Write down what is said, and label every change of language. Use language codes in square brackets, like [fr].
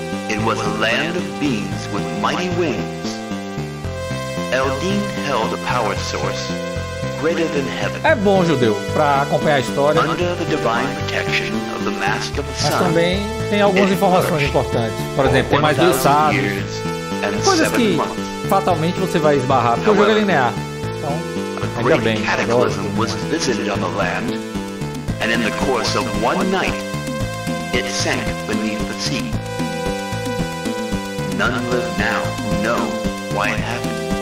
[en] It was a land of beings with mighty wings. Eldee held a power source greater than heaven. [pt] É bom, judeu, pra acompanhar a história. [en] Under the divine protection of the Mask of the Sun. [pt] Mas também tem algumas informações importantes. Por exemplo, tem mais dois sábios. Coisas que fatalmente você vai esbarrar, porque o jogo é linear. Então, ainda bem. [en] A great cataclysm was visited on the land, and in the course of one night, it sank beneath the sea. None live now who know why it happened.